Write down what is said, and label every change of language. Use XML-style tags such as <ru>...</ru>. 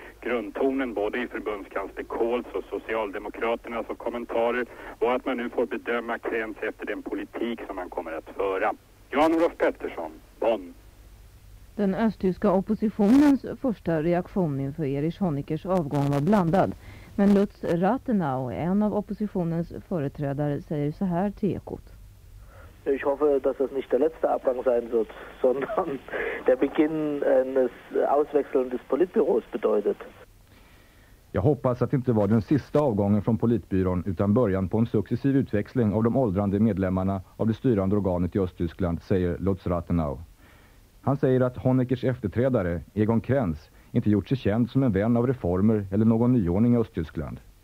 <sv>Grundtonen både i förbundskansler Kohls och Socialdemokraternas och kommentarer var att man nu får bedöma Krenz efter den politik som han kommer att föra. Jan-Olof Pettersson, Bonn. Den östtyska oppositionens första reaktion inför Erich Honeckers avgång var blandad. Men Lutz Rathenau, en av oppositionens företrädare, säger så här till Ekot.</sv> <de>Ich hoffe, dass es nicht der letzte Abgang sein wird, sondern der Beginn eines Auswechseln des Politbüros bedeutet.</de> <sv>Jag hoppas att det inte var den sista avgången från Politbyrån utan början på en successiv utväxling av de åldrande medlemmarna av det styrande organet i Östtyskland, säger Lutz Rathenau. Han säger att Honeckers efterträdare, Egon Krenz, inte gjort sig känd som en vän av reformer eller någon nyordning i Östtyskland.</sv>